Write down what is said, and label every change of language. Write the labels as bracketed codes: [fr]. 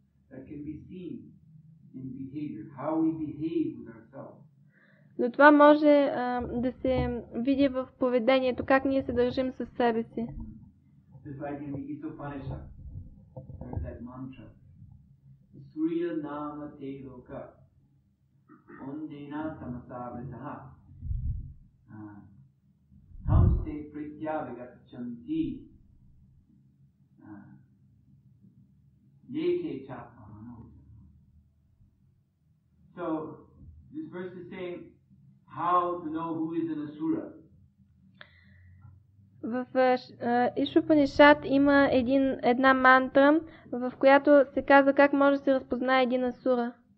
[en] That can be seen in behavior, how we behave with ourselves. [bg] Но това може да се види в поведението, как ние се държим със себе си. [en] Just like in the Isopanishad, there's that mantra. [sa] Surya nama te loka undena tamasa vritaha tamste pritya vigacchanti yeke chapa mano. [en] So this verse is saying how to know who is an asura. [bg] В Ишупанишад има една мантра, в която се казва как може да се разпознае един асура.